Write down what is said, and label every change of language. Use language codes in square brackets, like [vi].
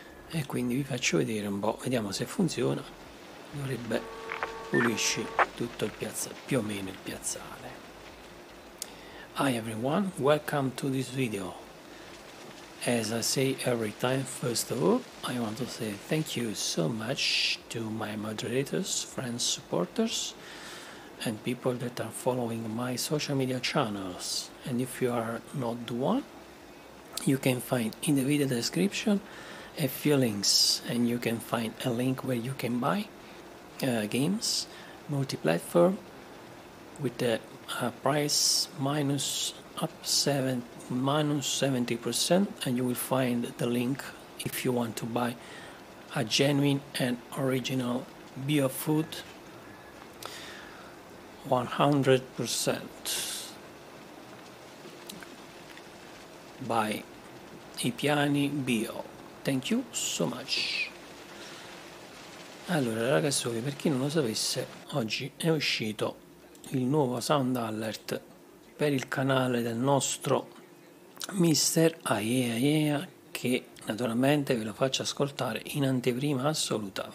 [it] E quindi vi faccio vedere un po', vediamo se funziona. Dovrebbe pulirci tutto il piazzale, più o meno il piazzale. [en] Hi everyone, welcome to this video. As I say every time, first of all, I want to say thank you so much to my moderators, friends, supporters, and people that are following my social media channels. And if you are not the one, you can find in the video description a few links, and you can find a link where you can buy games, multi-platform, with the price minus up 70%, and you will find the link if you want to buy a genuine and original bio food 100% by I Piani Bio. Thank you so much. [it] Allora ragazzi, per chi non lo sapesse, oggi è uscito il nuovo sound alert per il canale del nostro mister Aiea, che naturalmente ve lo faccio ascoltare in anteprima assoluta.